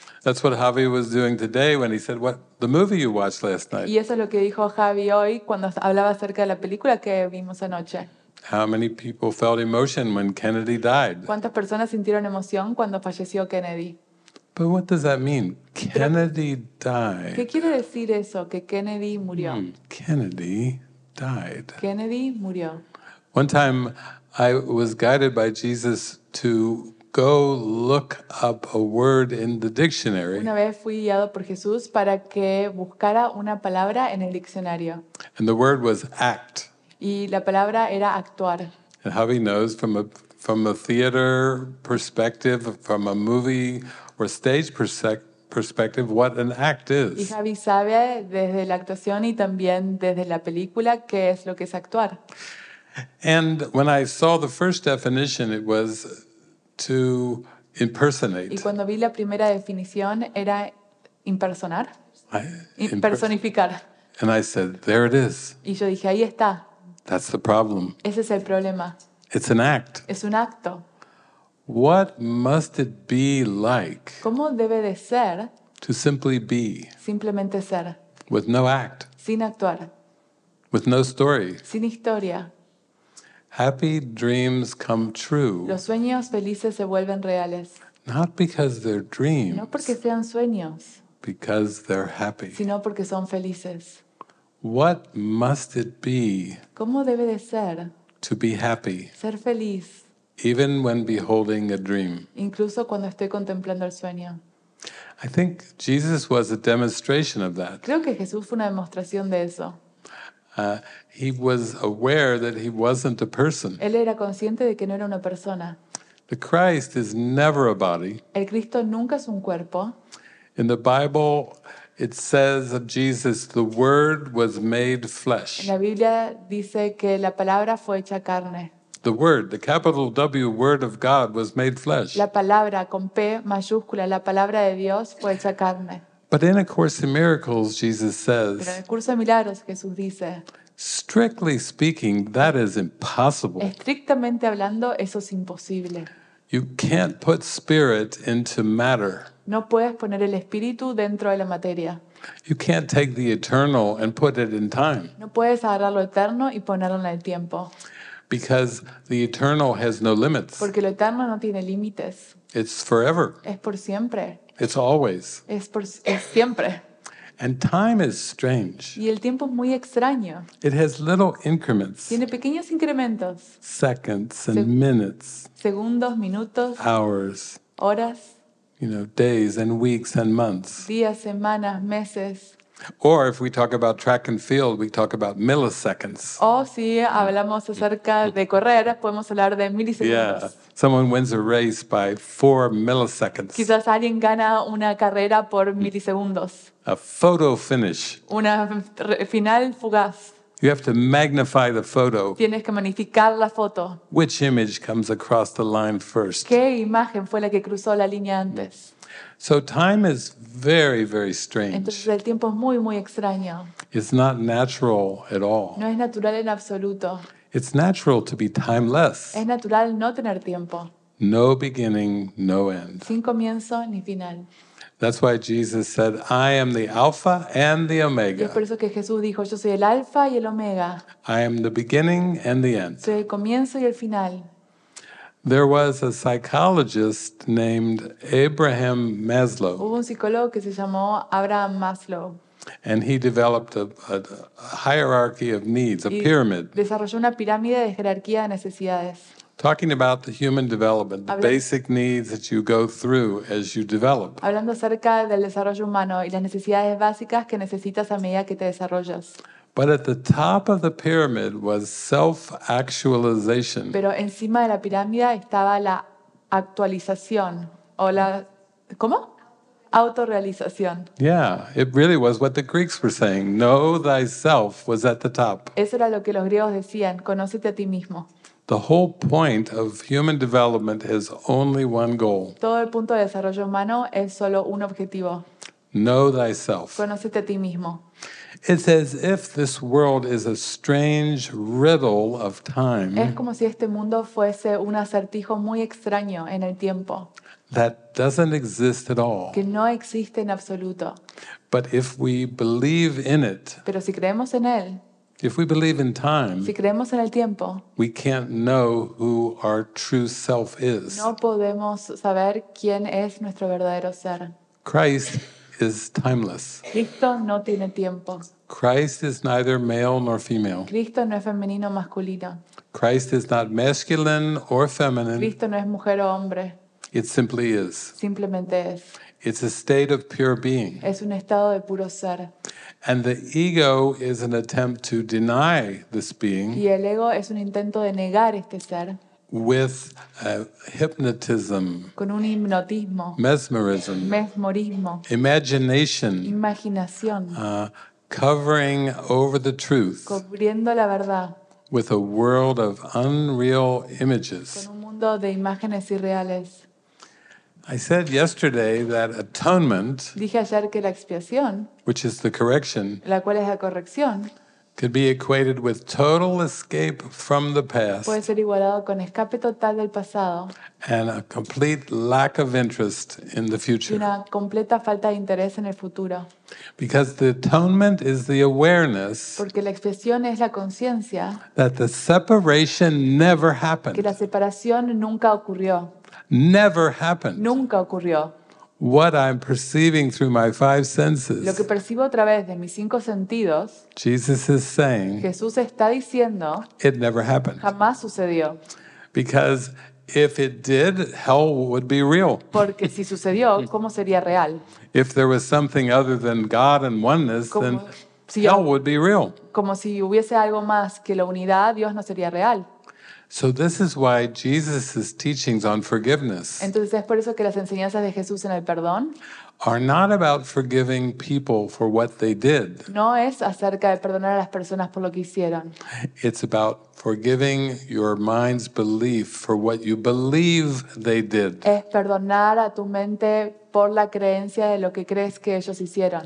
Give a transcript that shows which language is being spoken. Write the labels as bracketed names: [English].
[English] That's what Javi was doing today when he said, "What the movie you watched last night?" [Spanish] Y eso es lo que dijo Javi hoy cuando hablaba acerca de la película que vimos anoche. [English] How many people felt emotion when Kennedy died? [Spanish] ¿Cuántas personas sintieron emoción cuando falleció Kennedy? [English] But what does that mean? Kennedy died. [Spanish] ¿Qué quiere decir eso? Que Kennedy murió. [English] Kennedy died. [Spanish] Kennedy murió. [English] One time, I was guided by Jesus to go look up a word in the dictionary. [Spanish] Una vez fui guiado por Jesús para que buscara una palabra en el diccionario. [English] And the word was act. [Spanish] Y la palabra era actuar. [English] And Javi knows from a from a theater perspective, from a movie or stage perspective, what an act is. [Spanish] Y Javi sabe desde la actuación y también desde la película qué es lo que es actuar. [English] And when I saw the first definition, it was to impersonate. [Spanish] Y cuando vi la primera definición era impersonar, personificar. [English] And I said, there it is. [Spanish] Y yo dije, ahí está. [English] That's the problem. [Spanish] Ese es el problema. [English] It's an act. [Spanish] Es un acto. [English] What must it be like? [Spanish] ¿Cómo debe de ser? [English] To simply be. [Spanish] Simplemente ser. [English] With no act. [Spanish] Sin actuar. [English] With no story. [Spanish] Sin historia. [English] Happy dreams come true. [Spanish] Los sueños felices se vuelven reales. [English] Not because they're dreams. [Spanish] No porque sean sueños. [English] Because they're happy. [Spanish] Sino porque son felices. [English] What must it be? [Spanish] ¿Cómo debe de ser? [English] To be happy. [Spanish] Ser feliz. [English] Even when beholding a dream. [Spanish] Incluso cuando estoy contemplando el sueño. [English] I think Jesus was a demonstration of that. [Spanish] Creo que Jesús fue una demostración de eso. [English] He was aware that he wasn't a person. [Spanish] Él era consciente de que no era una persona. [English] The Christ is never a body. [Spanish] El Cristo nunca es un cuerpo. [English] In the Bible, it says of Jesus, the Word was made flesh. [Spanish] En la Biblia dice que la palabra fue hecha carne. [English] The Word, the capital W, Word of God, was made flesh. [Spanish] La palabra con P mayúscula, la palabra de Dios fue hecha carne. [English] But in A Course in Miracles, Jesus says, [Spanish] pero en el curso de milagros, Jesús dice, [English] strictly speaking, that is impossible. [Spanish] Estrictamente hablando, eso es imposible. [English] You can't put spirit into matter. [Spanish] No puedes poner el espíritu dentro de la materia. [English] You can't take the eternal and put it in time. [Spanish] No puedes agarrar lo eterno y ponerlo en el tiempo. [English] Because the eternal has no limits. [Spanish] Porque lo eterno no tiene límites. [English] It's forever. [Spanish] Es por siempre. [English] It's always. [Spanish] Es siempre. [English] And time is strange. [Spanish] Y el tiempo es muy extraño. [English] It has little increments. [Spanish] Tiene pequeños incrementos. [English] Seconds and minutes. [Spanish] Segundos, minutos. [English] Hours. [Spanish] Horas. [English] You know, days and weeks and months. [Spanish] Días, semanas, meses. [English] Or if we talk about track and field, we talk about milliseconds. [Spanish] O si hablamos acerca de correr, podemos hablar de milisegundos. [English] Yeah. Someone wins a race by 4 milliseconds. [Spanish] Quizás alguien gana una carrera por milisegundos. [English] A photo finish. [Spanish] Una final fugaz. [English] You have to magnify the photo. [Spanish] Tienes que magnificar la foto. [English] Which image comes across the line first? [Spanish] ¿Qué imagen fue la que cruzó la línea antes? [English] So time is very, very strange. [Spanish] Entonces el tiempo es muy, muy extraño. [English] It's not natural at all. [Spanish] No es natural en absoluto. [English] It's natural to be timeless. [Spanish] Es natural no tener tiempo. [English] No beginning, no end. [Spanish] Sin comienzo ni final. [English] That's why Jesus said, I am the Alpha and the Omega. [Spanish] Y es por eso que Jesús dijo, yo soy el Alpha y el Omega. [English] I am the beginning and the end. [Spanish] Soy el comienzo y el final. [English] There was a psychologist named Abraham Maslow. [Spanish] Hubo un psicólogo que se llamó Abraham Maslow. [English] And he developed a hierarchy of needs, a [Spanish] y [English] pyramid. [Spanish] Desarrolló una pirámide de jerarquía de necesidades. [English] Talking about the human development, the basic needs that you go through as you develop. [Spanish] Hablando acerca del desarrollo humano y las necesidades básicas que necesitas a medida que te desarrollas. [English] But at the top of the pyramid was self-actualization. [Spanish] Pero encima de la pirámide estaba la actualización o la ¿cómo? Autorrealización. [English] Yeah, it really was what the Greeks were saying. Know thyself was at the top. [Spanish] Eso era lo que los griegos decían, conócete a ti mismo. [English] The whole point of human development has only one goal. [Spanish] Todo el punto de desarrollo humano es solo un objetivo. [English] Know thyself. [Spanish] Conócete a ti mismo. [English] It's as if this world is a strange riddle of time. [Spanish] Es como si este mundo fuese un acertijo muy extraño en el tiempo. [English] That doesn't exist at all. [Spanish] Que no existe en absoluto. [English] But if we believe in it. [Spanish] Pero si creemos en él. [English] If we believe in time, [Spanish] si creemos en el tiempo, [English] we can't know who our true self is. [Spanish] No podemos saber quién es nuestro verdadero ser. [English] Christ is timeless. [Spanish] Cristo no tiene tiempo. [English] Christ is neither male nor female. [Spanish] Cristo no es femenino o masculino. [English] Christ is not masculine or feminine. [Spanish] Cristo no es mujer o hombre. [English] It simply is. [Spanish] Simplemente es. [English] It's a state of pure being. [Spanish] Es un estado de puro ser. [English] And the ego is an attempt to deny this being. [Spanish] Y el ego es un intento de negar este ser. [English] with hypnotism, [Spanish] con un hipnotismo, [English] mesmerism, [Spanish] mesmerismo, [English] imagination, [Spanish] imaginación, [English] covering over the truth, [Spanish] cubriendo la verdad, [English] with a world of unreal images, [Spanish] con un mundo de imágenes irreales. [English] I said yesterday that atonement, [Spanish] dije ayer que la expiación, [English] which is the correction, [Spanish] la cual es la corrección, [English] could be equated with total escape from the past, [Spanish] puede ser igualado con escape total del pasado, [English] and a complete lack of interest in the future. [Spanish] Y una completa falta de interés en el futuro. [English] Because the atonement is the awareness, [Spanish] porque la expiación es la conciencia, [English] that the separation never happened. [Spanish] Que la separación nunca ocurrió. [English] Never happened. [Spanish] Nunca ocurrió. [English] What I'm perceiving through my five senses. [Spanish] Lo que percibo a través de mis cinco sentidos. [English] Jesus is saying. [Spanish] Jesús está diciendo. [English] It never happened. [Spanish] Jamás sucedió. [English] Because if it did, hell would be real. [Spanish] Porque si sucedió, ¿cómo sería real? [English] If there was something other than God and oneness, como, then si hell would be real. [Spanish] Como si hubiese algo más que la unidad, Dios no sería real. [English] So this is why Jesus's teachings on forgiveness. [Spanish] Entonces es por eso que las enseñanzas de Jesús en el perdón [English] are not about forgiving people for what they did. [Spanish] No es acerca de perdonar a las personas por lo que hicieron. [English] It's about forgiving your mind's belief for what you believe they did. [Spanish] Es perdonar a tu mente por la creencia de lo que crees que ellos hicieron.